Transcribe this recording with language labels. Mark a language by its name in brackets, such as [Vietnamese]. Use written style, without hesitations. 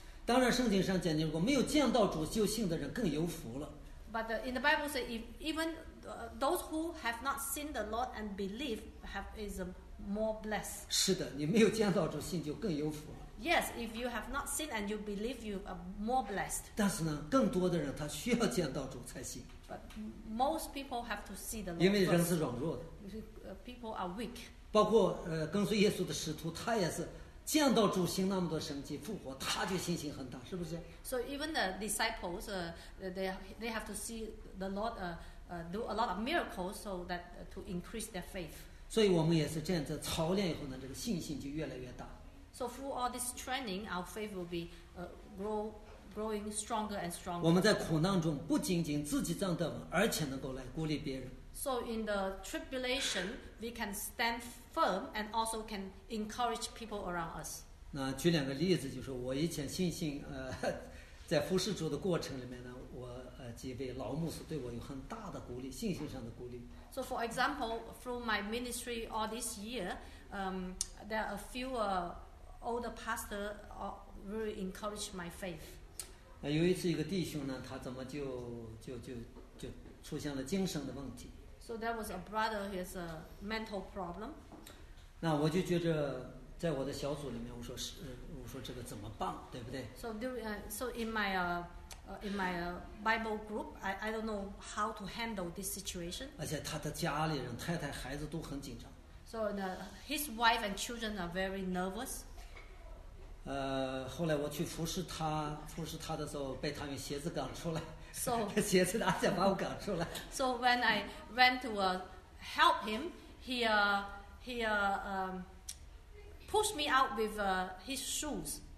[Chinese] 当然，圣经上讲，如果没有见到主就信的人更有福了。 [English] But in the Bible say, even those who have not seen the Lord and believe is more blessed. [Chinese] 是的，你没有见到主信就更有福了。 [English] Yes, if you have not seen and you believe, you are more blessed. [Chinese] 但是呢，更多的人他需要见到主才行。 [English] But most people have to see the Lord. [Chinese] 因为人是软弱的。 [English] People are weak. [Chinese] 包括跟随耶稣的使徒，他也是见到主行那么多神迹复活，他就信心很大，是不是？ [English] So even the disciples, they have to see the Lord do a lot of miracles so that to increase their faith. [Chinese] 所以我们也是这样，在操练以后呢，这个信心就越来越大。 [English] So through all this training, our faith will be growing stronger and stronger. [Chinese] 我们在苦难中不仅仅自己站得稳，而且能够来鼓励别人。 [English] So in the tribulation, we can stand firm and also can encourage people around us. [Chinese] 那举两个例子，就是我以前信心在服侍主的过程里面呢，我几位老牧师对我有很大的鼓励，信心上的鼓励。 [English] So for example, through my ministry all this year, there are a few older pastor really encouraged my faith. [Chinese] 有一次一个弟兄呢，他怎么就出现了精神的问题。 [English] So there was a brother who has a mental problem. [Chinese] 那我就觉得在我的小组里面，我说这个怎么办，对不对 [English] ？So in my Bible group, I don't know how to handle this situation. [Chinese] 而且他的家里人、太太、孩子都很紧张。 [English] So his wife and children are very nervous. [Chinese] 后来我去服侍他的时候，被他用鞋子赶出来。 [English] So [Chinese] 鞋子拿脚把我赶出来。 [English] So when I went to help him, he pushed me out with his shoes.